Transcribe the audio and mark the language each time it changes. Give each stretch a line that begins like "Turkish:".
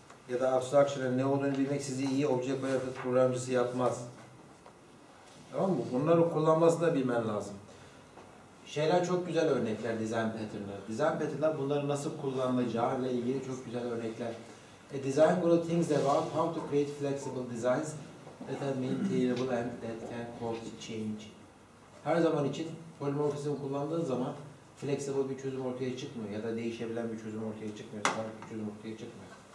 Turkish: ya da abstraction'ın ne olduğunu bilmek sizi iyi object oriented programcısı yapmaz. Tamam mı? Bunları kullanması da bilmen lazım. Şeyler çok güzel örnekler design pattern'lar. Design pattern'lar bunları nasıl kullanılacağı ile ilgili çok güzel örnekler.
English: A design guru thinks about how to create flexible designs that are maintainable and that can cause change.
Turkish: Her zaman için polimorfizm kullandığın zaman flexible bir çözüm ortaya çıkmıyor ya da değişebilen bir çözüm ortaya çıkmıyor, sabit bir çözüm ortaya çıkmıyor.